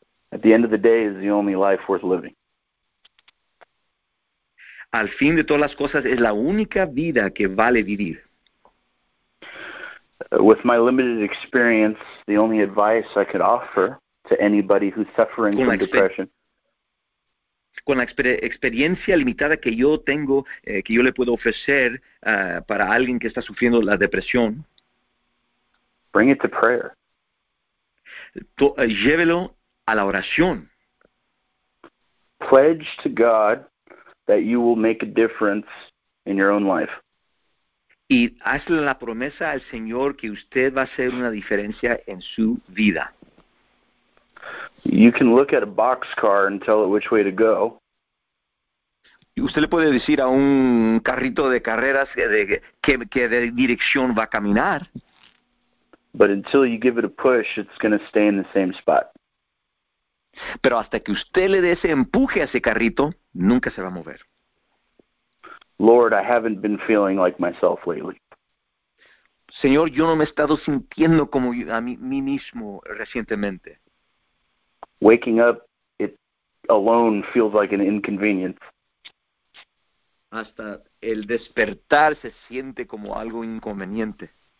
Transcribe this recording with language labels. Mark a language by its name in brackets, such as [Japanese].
[English] At the end of the day is the only life worth living. [Spanish] Al fin de todas las cosas es la única vida que vale vivir. [English] With my limited experience, the only advice I could offer to anybody who's suffering from depression. [Spanish] Con la experiencia limitada que yo tengo, que yo le puedo ofrecer para alguien que está sufriendo la depresión. [English] Bring it to prayer. [Spanish] Llévelo a la oración. [English] Pledge to God that you will make a difference in your own life. [Spanish] Y hazle la promesa al Señor que usted va a hacer una diferencia en su vida. [English] You can look at a boxcar and tell it which way to go. [Spanish] Usted le puede decir a un carrito de carreras que de dirección va a caminar. [English] But until you give it a push, it's going to stay in the same spot. [Spanish] Pero hasta que usted le dé ese empuje a ese carrito, nunca se va a mover. [English] Lord, I haven't been feeling like myself lately. [Spanish] Señor, yo no me he estado sintiendo como a mí mismo recientemente. [English] Waking up it alone feels like an inconvenience. [Spanish] Hasta el despertar se siente como algo inconveniente.